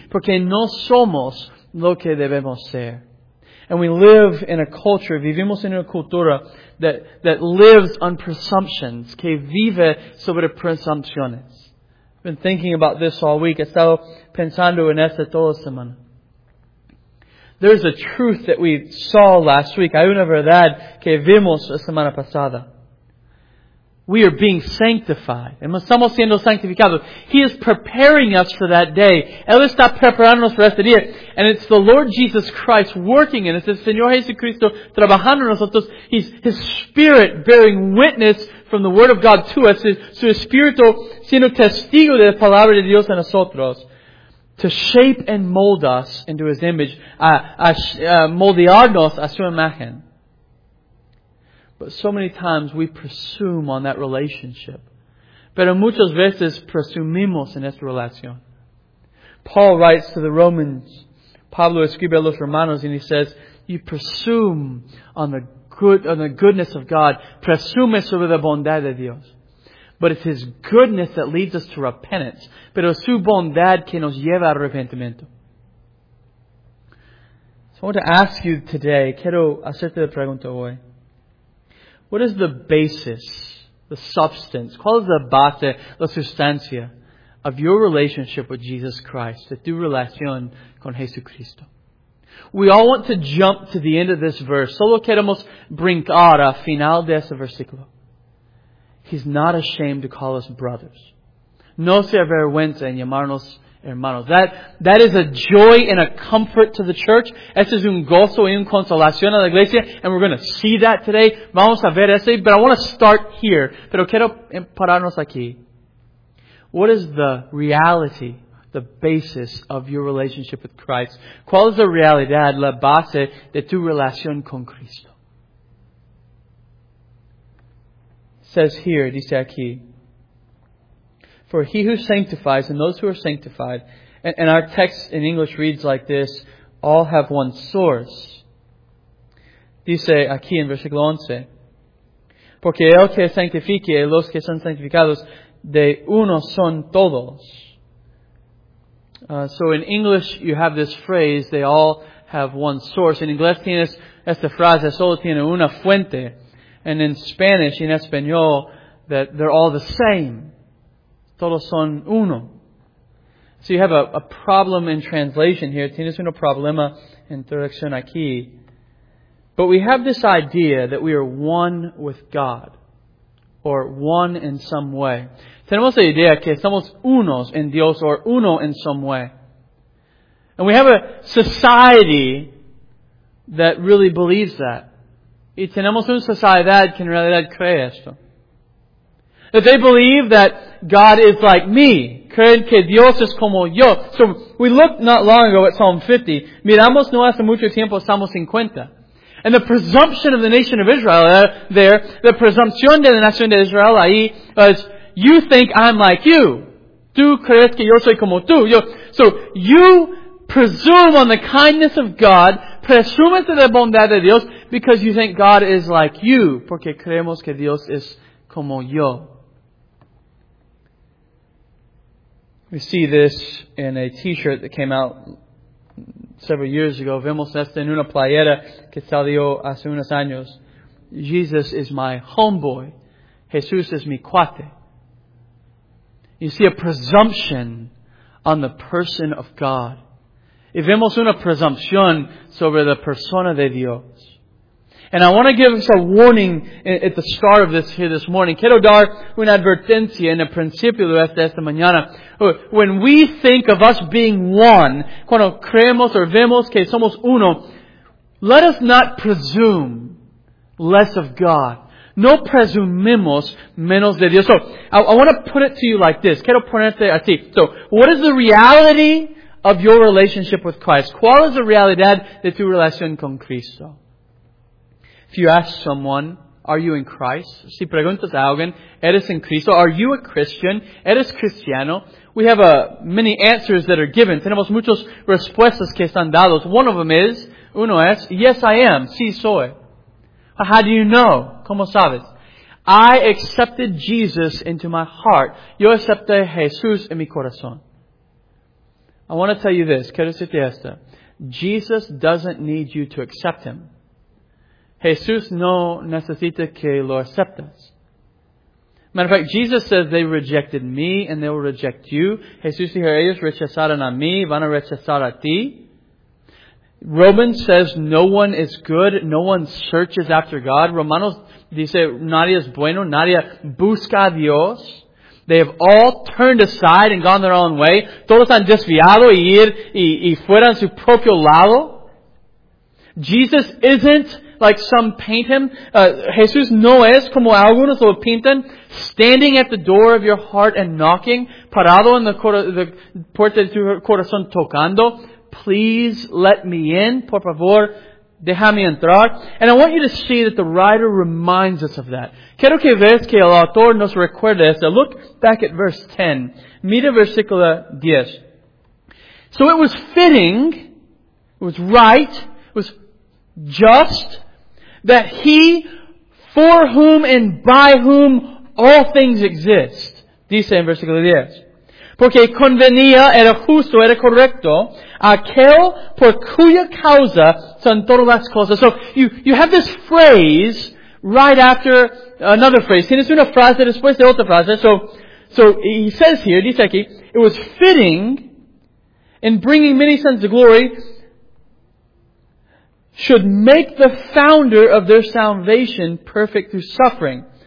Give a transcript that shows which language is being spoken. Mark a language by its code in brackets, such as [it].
[es] Porque no somos lo que debemos ser. [en] And we live in a culture, [es] vivimos en una cultura [en] that lives on presumptions. [es] Que vive sobre presunciones. [en] I've been thinking about this all week. [es] He estado pensando en esto toda semana. [en] There's a truth that we saw last week. [es] Hay una verdad que vimos la semana pasada. [en] We are being sanctified. [es] Estamos siendo sanctificados. [en] He is preparing us for that day. [es] Él está preparándonos para este día. [en] And it's the Lord Jesus Christ working in us. [es] El Señor Jesucristo trabajando en nosotros. [en] His Spirit bearing witness from the Word of God to us. [es] Su Espíritu siendo testigo de la Palabra de Dios en nosotros. [en] To shape and mold us into His image. [es] Moldearnos a su imagen. [en] But so many times we presume on that relationship. [es] Pero muchas veces presumimos en esta relación. [en] Paul writes to the Romans. [es] Pablo escribe a los Romanos [en] and he says, you presume on the goodness of God. [es] Presume sobre la bondad de Dios. [en] But it's His goodness that leads us to repentance. [es] Pero su bondad que nos lleva al arrepentimiento. [en] So I want to ask you today, [es] quiero hacerte la pregunta hoy. [en] What is the basis, the substance, [es] cuál es la base, la sustancia [en] of your relationship with Jesus Christ, [es] de tu relación con Jesucristo? [en] We all want to jump to the end of this verse. [es] Solo queremos brincar a final de ese versículo. [en] He's not ashamed to call us brothers. [es] No se avergüenza en llamarnos hermanos. [en] That is a joy and a comfort to the church. [es] Ese es un gozo y una consolación a la iglesia. [en] And we're going to see that today. [es] Vamos a ver ese. [en] But I want to start here. [es] Pero quiero pararnos aquí. [en] What is the reality, the basis of your relationship with Christ? [es] ¿Cuál es la realidad, la base de tu relación con Cristo? [en] Says here, [es] dice aquí, [en] for he who sanctifies and those who are sanctified, and our text in English reads like this, all have one source. [es] Dice aquí en versículo 11, porque el que sanctifique y los que son sanctificados, de uno son todos. [en] So in English you have this phrase, they all have one source. [es] En inglés tienes esta frase, solo tiene una fuente. [en] And in Spanish, in Espanol, that they're all the same. [es] Todos son uno. [en] So you have a problem in translation here. [es] Tienes un problema en traducción aquí. [en] But we have this idea that we are one with God. Or one in some way. [es] Tenemos la idea que somos unos en Dios or uno en [en] some way. And we have a society that really believes that. [es] Y tenemos una sociedad que en realidad cree esto. [en] That they believe that God is like me. [es] Creen que Dios es como yo. [en] So we looked not long ago at Psalm 50. [es] Miramos no hace mucho tiempo Salmo 50. [en] And the presumption of the nation of Israel there, the presumption [es] de la nación de Israel ahí, was, [en] you think I'm like you. [es] Tú crees que yo soy como tú. [en] So you presume on the kindness of God, [es] presumes de la bondad de Dios, [en] because you think God is like you, [es] porque creemos que Dios es como yo. [en] We see this in a t-shirt that came out several years ago. [es] Vemos esto en una playera que salió hace unos años. [en] Jesus is my homeboy. [es] Jesús es mi cuate. [en] You see a presumption on the person of God. [es] Y vemos una presunción sobre la persona de Dios. [en] And I want to give us a warning at the start of this here this morning. [es] Quiero dar una advertencia en el principio de esta mañana. [en] When we think of us being one, [es] cuando creemos o vemos que somos uno, [en] let us not presume less of God. [es] No presumimos menos de Dios. [en] So, I want to put it to you like this. [es] Quiero ponerte a ti. [en] So, what is the reality of your relationship with Christ? [es] ¿Cuál es la realidad de tu relación con Cristo? [en] If you ask someone, are you in Christ? [es] Si preguntas a alguien, ¿eres en Cristo? [en] Are you a Christian? [es] ¿Eres cristiano? [en] We have many answers that are given. [es] Tenemos muchas respuestas que están dadas. [en] One of them is, [es] uno es, [en] yes I am, [es] sí soy. [en] How do you know? [es] ¿Cómo sabes? [en] I accepted Jesus into my heart. [es] Yo acepté Jesús en mi corazón. [en] I want to tell you this. [es] Quiero decirte esto. [en] Jesus doesn't need you to accept Him. [es] Jesús no necesita que lo aceptes. [en] Matter of fact, Jesus says they rejected me and they will reject you. [es] Jesús dijo, ellos rechazaron a mí, van a rechazar a ti. [en] Romans says no one is good, no one searches after God. [es] Romanos dice, nadie es bueno, nadie busca a Dios. [en] They have all turned aside and gone their own way. [es] Todos han desviado y fuera en su propio lado. [en] Jesus isn't like some paint him. [es] Jesús no es como algunos lo pintan, [en] standing at the door of your heart and knocking, [es] parado en la puerta de tu corazón tocando. [en] Please let me in. [es] Por favor, déjame entrar. [en] And I want you to see that the writer reminds us of that. [es] Quiero que veas que el autor nos recuerda esto. [en] Look back at verse 10. [es] Mira versículo 10. [en] So it was fitting, it was right, it was just, that he for whom and by whom all things exist. [es] Dice en versículo 10. Porque convenía, era justo, era correcto, aquel por cuya causa son todas las cosas. [en] So, you have this phrase right after another phrase. Tienes una frase después de otra frase. So, he says here, [es] dice aquí, [en] it was fitting in bringing many sons to glory should make the founder of their salvation perfect through suffering.